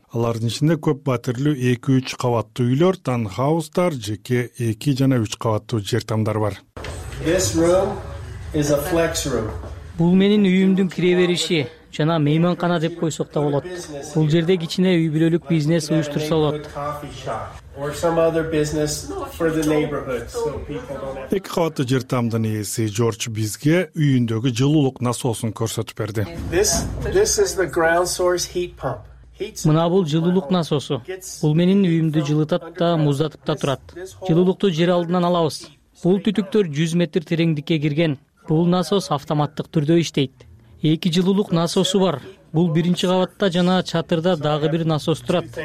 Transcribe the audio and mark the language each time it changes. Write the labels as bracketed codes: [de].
[ky] Алардын ичинде көп батирлүү 2-3 кабаттуу үйлөр, таунхаустар, жеке 2 жана 3 кабаттуу жер тамдар бар. Бул менин үйүмдүн кире бериши. жана мейманкана деп койсок да болот. Бул жерде кичине үй бүлөлүк бизнес уюштурса болот. [en] Or some other business for the neighborhood so people don't have. [ky] Эки кабатты жер тамдын ээси Жорж бизге үйүндөгү жылуулук насосун көрсөтүп берди. [en] This is the ground source heat pump. [ky] Мына бул жылуулук насосу. Бул менин үйүмдү жылытат да муздатып да турат. Жылуулукту жер алдынан алабыз. Бул түтүктөр 100 метр тереңдикке кирген. Бул насос автоматтык түрдө иштейт. Эки жылуулук насосу бар. Бул биринчи кабатта жана чатырда дагы бир насос турат.